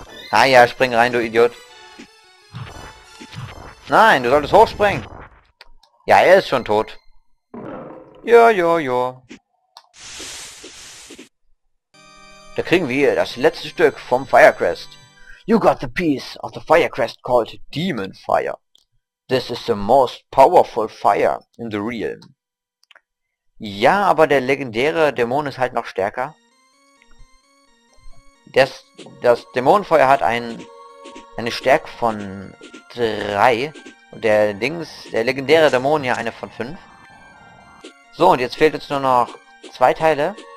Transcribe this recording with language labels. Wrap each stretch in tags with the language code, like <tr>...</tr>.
<de>Ah ja, spring rein, du Idiot. Nein, du solltest hochspringen. Ja, er ist schon tot. Ja, ja, ja. Da kriegen wir das letzte Stück vom Firecrest.</de> <en>You got the piece of the Firecrest called Demon Fire. This is the most powerful fire in the realm.</en> <de>Ja, aber der legendäre Dämon ist halt noch stärker. Das Dämonenfeuer hat eine Stärke von 3. Und der legendäre Dämon hier eine von 5. So, und jetzt fehlt uns nur noch 2 Teile.</de>